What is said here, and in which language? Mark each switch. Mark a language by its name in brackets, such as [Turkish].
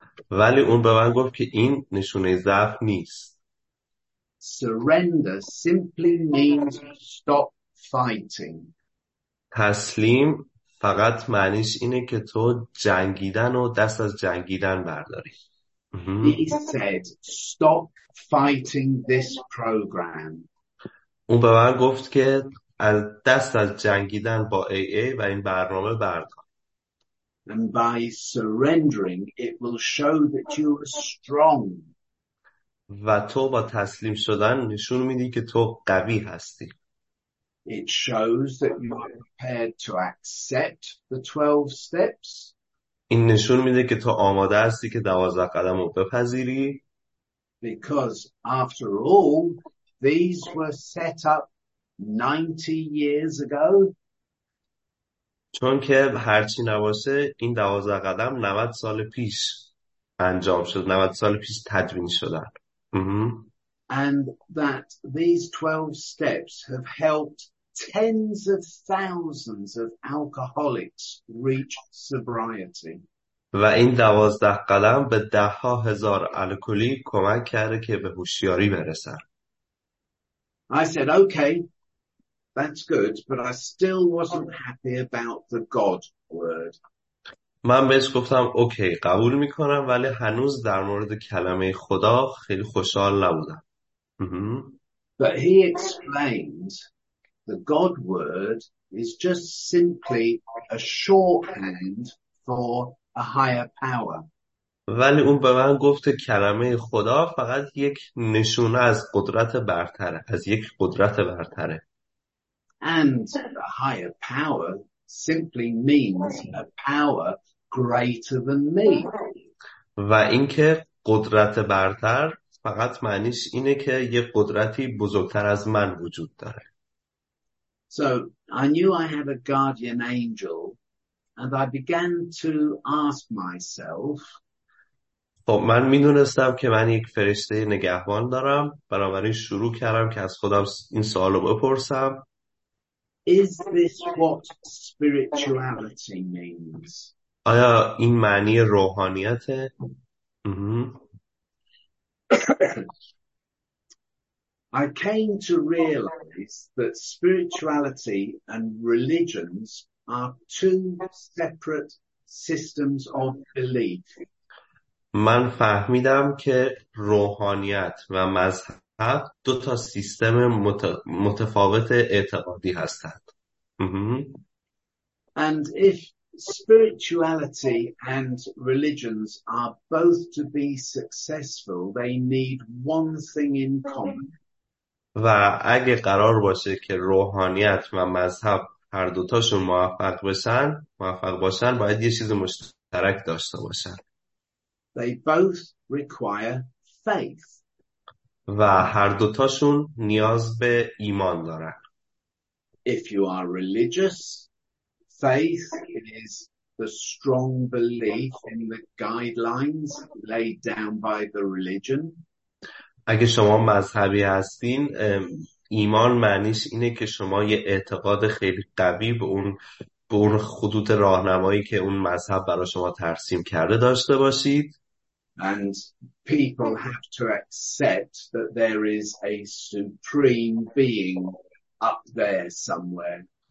[Persian] ولی اون به من گفت که این نشونه ضعف نیست. [English] Surrender simply means stop fighting. [Persian] تسلیم فقط معنیش اینه که تو جنگیدن و دست از جنگیدن برداری. [English] He said, stop fighting this program. [Persian] اون به من گفت که از دست از جنگیدن با AA و این برنامه بردار. [English] And by surrendering, it will show that you are strong. [Persian] و تو با تسلیم شدن نشون میدی که تو قوی هستی. [English] It shows that you are prepared to accept the 12 steps. [Persian] این نشون میده که تو آماده هستی که 12 قدم رو بپذیری. [English] Because after all, these were set up 90 years ago. [Persian] چون که هرچی نباشه این 12 قدم 90 سال پیش انجام شد، 90 سال پیش تدوین شدن. [English] And that these 12 steps have helped tens of thousands of alcoholics reach sobriety. [Persian] و این 12 قدم به ده ها هزار الکلی کمک کرده که به هوشیاری برسن. [English] I said, okay, that's good, but I still wasn't happy about the God word. [Persian] من بهش گفتم اوکی قبول میکنم، ولی هنوز در مورد کلمه خدا خیلی خوشحال نبودم. [English] But he explained the God word is just simply a shorthand for a higher power. [Persian] ولی اون به من گفت کلمه خدا فقط یک نشونه از قدرت برتره، از یک قدرت برتره. [English] And a higher power simply means a power greater than me. [Persian] و اینکه قدرت برتر فقط معنیش اینه که یه قدرتی بزرگتر از من وجود داره. [English] So I knew I had a guardian angel and I began to ask myself. [Persian] خب من میدونستم که من یک فرشته نگهبان دارم، بنابراین شروع کردم که از خودم این سوالو بپرسم. [English] Is this what spirituality means? [Persian] آیا این معنی روحانیته؟ [English] I came to realize that spirituality and religions are two separate systems of belief. [Persian] من فهمیدم که روحانیت و مذهب دو تا سیستم متفاوت اعتقادی هستند. [English] And if spirituality and religions are both to be successful, they need one thing in common. [Persian] و اگه قرار باشه که روحانیت و مذهب هر دوتاشون موفق باشن باید یه چیز مشترک داشته باشن. [English] They both require faith. [Persian] و هر دوتاشون نیاز به ایمان دارن. [English] If you are religious, faith is the strong belief in the guidelines laid down by the religion. [Persian] اگه شما مذهبی هستین، ایمان معنیش اینه که شما یه اعتقاد خیلی قوی به اون به اون خطوط راهنمایی که اون مذهب برای شما ترسیم کرده داشته باشید. [English] And people have to accept that there is a supreme being up there somewhere.